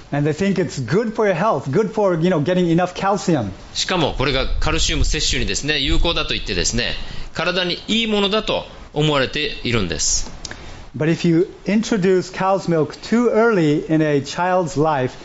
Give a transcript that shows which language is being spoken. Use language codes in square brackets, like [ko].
[en] And they think it's good for your health, good for, you know, getting enough calcium. [ja] しかもこれがカルシウム摂取にですね有効だと言ってですね、体にいいものだと思われているんです。 [en] But if you introduce cow's milk too early in a child's life,